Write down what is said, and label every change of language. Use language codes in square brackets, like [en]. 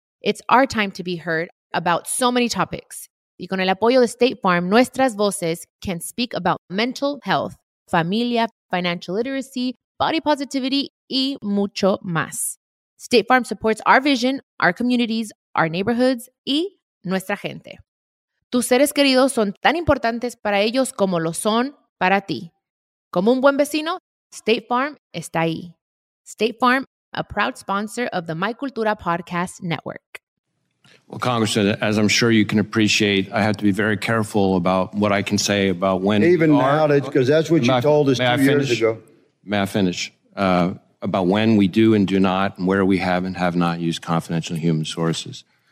[en] It's our time to be heard about so many topics. [es] Y con el apoyo de State Farm, nuestras voces [en] can speak about mental health, [es] familia, [en] financial literacy, body positivity, [es] y mucho más. [en] State Farm supports our vision, our communities, our neighborhoods, [es] y nuestra gente. Tus seres queridos son tan importantes para ellos como lo son para ti. Como un buen vecino, State Farm está ahí. [en] State Farm, a proud sponsor of the My Cultura Podcast Network. Well, Congressman, as I'm sure you can appreciate, I have to be very careful about what I can say about when even we are, now, because that's what you told us 2 years ago. May I finish? About when we do and do not, and where we have and have not used confidential human sources.